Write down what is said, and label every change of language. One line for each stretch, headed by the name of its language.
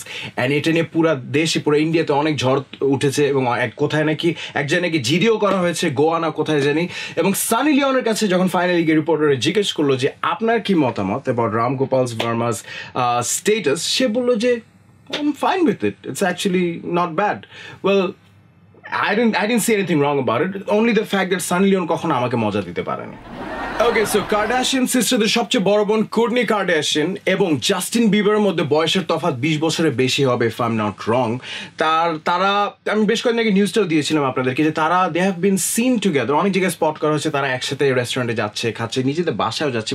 Bangla: And এটা নিয়ে পুরো দেশে, পুরো ইন্ডিয়াতে অনেক ঝড় উঠেছে এবং এক কোথায় নাকি এক জায়গায় নাকি জিডিও করা হয়েছে, গোয়া না কোথায় জানি। এবং সানি লিওনের কাছে যখন ফাইনালি গিয়ে রিপোর্টারে জিজ্ঞেস করলো যে আপনার কি মতামত অ্যাবাউট রাম গোপাল বর্মাস স্টেটাস, সে বললো যে
English: I'm fine with it. It's actually not bad. Well, I didn't see anything wrong about it. Only the fact that
Bangla: Sunny Leon kokhono amake moja dite parani. Okay, so Kardashian সিস্টারদের সবচেয়ে বড় বোন Courtney Kardashian এবং Justin বিবারের মধ্যে বয়সের তফাৎ 20 বছরের বেশি হবে,
English: If I am not wrong.
Bangla: তারা আমি বেশ কয়েকদিন আগে নিউজটাও দিয়েছিলাম আপনাদেরকে যে তারা
English: they have been seen together,
Bangla: অনেক জায়গায় স্পট করা হয়েছে, তারা একসাথে রেস্টুরেন্টে যাচ্ছে, খাচ্ছে, নিজেদের বাসায়ও যাচ্ছে।